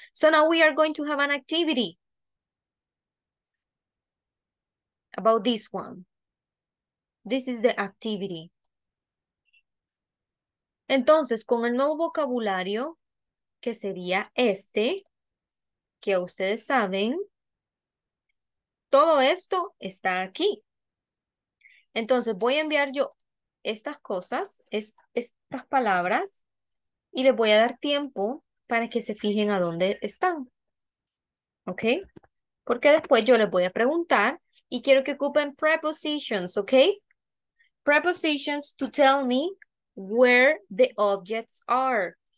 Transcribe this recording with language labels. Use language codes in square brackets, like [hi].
[en] So now we are going to have an activity about this one. This is the activity. [es] Entonces, con el nuevo vocabulario, que sería este, que ustedes saben, todo esto está aquí. Entonces, voy a enviar yo estas cosas, estas palabras, y les voy a dar tiempo para que se fijen a dónde están. ¿Ok? Porque después yo les voy a preguntar y quiero que ocupen prepositions, ¿ok? [en] Prepositions to tell me where the objects are.